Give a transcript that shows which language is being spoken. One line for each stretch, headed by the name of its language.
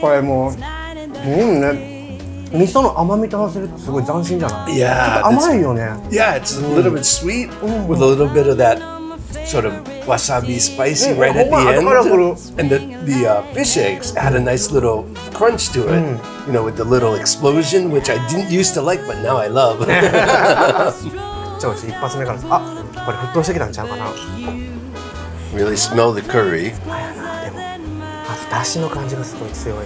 Japanese: これもう、ね、味噌の甘みと合わせるとすごい斬新じゃない？
English: Yeah,
Japanese: 甘いよね。
English: Yeah, it's a little bit sweet with a little bit of that sort of wasabi spicy right at the end. And the fish eggs had a nice little crunch to it. You know, with the little explosion, which I didn't used to like, but now I love.
Japanese: 調子一発目から、あ、これ沸騰してきたんちゃうかな。
English: Really smell the curry。
Japanese: でもまず出汁の感じがすごい強い。